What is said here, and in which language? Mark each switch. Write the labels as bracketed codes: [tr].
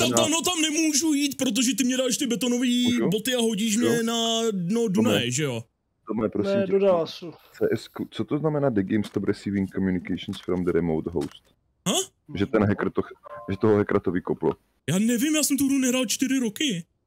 [cs] No ne, tam nemůžu jít, protože ty mě dáš ty betonové boty a hodíš mě na dno Dunaje, že jo? Tome, prosím tě. CSQ, co to znamená [en] the game stop receiving communications from the remote host? Ha? [cs] Že ten hacker to, že toho hackera to vykoplo. Já nevím, já jsem tu hru nehrál 4 roky.